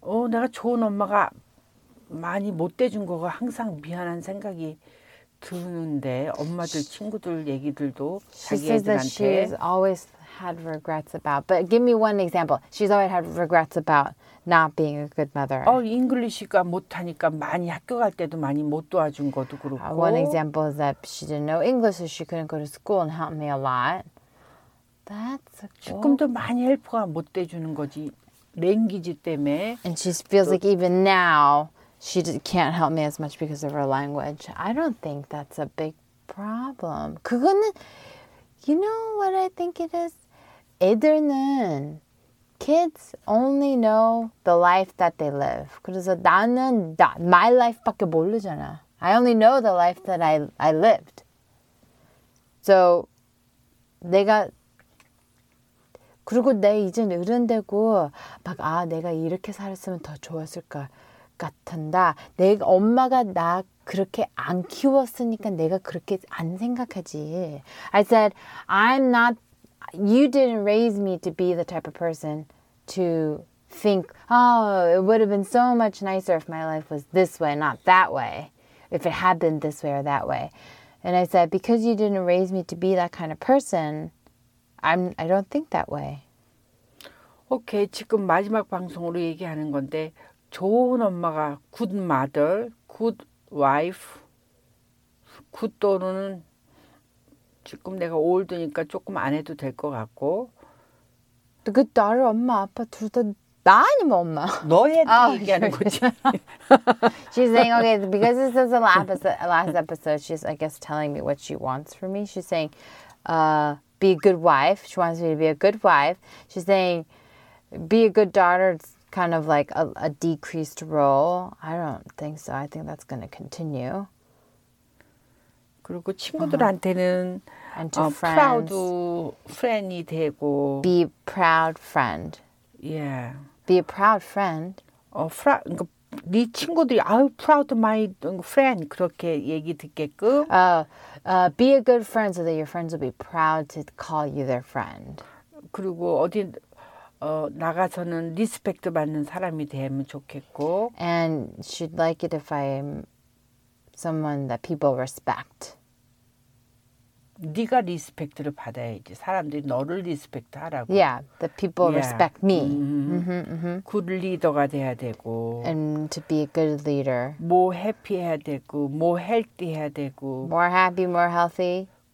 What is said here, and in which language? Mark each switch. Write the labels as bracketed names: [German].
[Korean] 내가 좋은 엄마가 많이 못 돼준 거가 항상 미안한 생각이 드는데 엄마들 친구들 얘기들도 자기 애들한테. [English] She says that she's always had regrets about, but give me one example. She's always had regrets about not being a good mother. [Korean] 잉글리시가 못하니까 많이 학교 갈 때도 많이 못 도와준 것도 그렇고. [English] One example is that she didn't know English, so she couldn't go to school and help me a lot. That's a good. [Korean] 지금도 많이 헬프가 못 돼주는 거지. 랭귀지 때문에. [English] And she feels like even now, she can't help me as much because of her language. I don't think that's a big problem. [Korean] 그거는 [English] You know what I think it is? [Korean] 애들은 [English] kids only know the life that they live. [Korean] 그래서 나는 [English] my life [Korean] 밖에 모르잖아. [English] I only know the life that I lived. [Korean] So 내가 그리고 내 이제 어른 되고 막 아 내가 이렇게 살았으면 더 좋았을 것 같은다. 내 엄마가 나 그렇게 안 키웠으니까 내가 그렇게 안 생각하지. [English] I said I'm not. You didn't raise me to be the type of person to think, oh, it would have been so much nicer if my life was this way, not that way, if it had been this way or that way. And I said, because you didn't raise me to be that kind of person, I don't think that way. [Korean] Okay, 지금 마지막 방송으로 얘기하는 건데, 좋은 엄마가 [English] good mother, good wife, good [Korean] 또는 지금 내가 올드니까 조금 안 해도 될 것 같고. 그 딸을 엄마 아빠 둘 다 나 아니면 엄마. 너의 얘기하는 거지. [English] She's saying okay because this is the last episode. She's I guess telling me what she wants for me. She's saying, be a good wife. She wants me to be a good wife. She's saying, be a good daughter. It's kind of like a decreased role. I don't think so. I think that's going to continue. [Korean] 그리고 친구들한테는 [English] proud friend [Korean] 이 되고 [English] be proud friend. Yeah. Be a proud friend. [Korean] 그러니까 네 친구들이 [English] I'm proud of my friend [Korean] 그렇게 얘기 듣게끔 [English] be a good friend so that your friends will be proud to call you their friend. [Korean] 그리고 어디 나가서는 리스펙트 받는 사람이 되면 좋겠고 [English] and she'd like it if I'm someone that people respect. [Korean] 네가 리스펙트를 받아야지. 사람들이 너를 리스펙트하라고. [English] Yeah, the people yeah. respect me. Good leader [Korean] 가 돼야 되고. [English] And to be a good leader. More happy [Korean] 해야 되고, [English] more healthy [Korean] 해야 되고. [English] More happy, more healthy.